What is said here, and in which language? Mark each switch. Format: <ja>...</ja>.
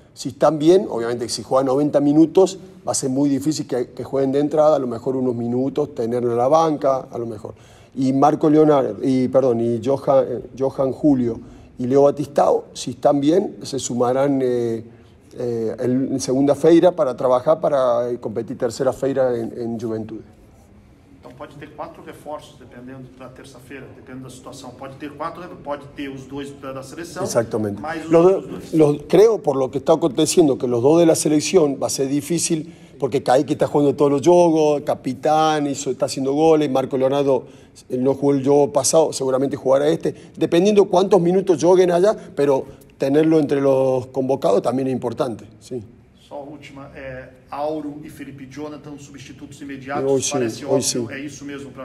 <es>Si están bien, obviamente si juegan 90 minutos, va a ser muy difícil que jueguen de entrada, a lo mejor unos minutos, tenerlo en la banca, a lo mejor. Y Marco Leonardo, y Johan Julio y Leo Batistao, si están bien, se sumarán en</es> <pt>segunda-feira</pt> <es>para trabajar, para competir tercera-feira en Juventud.</es> <pt>Pode ter quatro reforços, dependendo da terça-feira, dependendo da situação. Pode ter quatro, pode ter os dois da seleção. Exatamente.</pt> <es>Creo, por lo que está</es> <pt>acontecendo,</pt> <es>que los dos de la selección va a ser difícil, porque Kaique está jugando todos los</es> <pt>jogos,</pt> <es>capitán, está haciendo goles, Marco Leonardo no jugó el juego pasado, seguramente jugará este. Dependiendo cuántos minutos jueguen allá, pero tenerlo entre los convocados también es importante. Sí.</es> <pt>Só a última, Auro e Felipe Jonathan, substitutos imediatos, hoje, parece óbvio, hoje, é isso mesmo para</pt>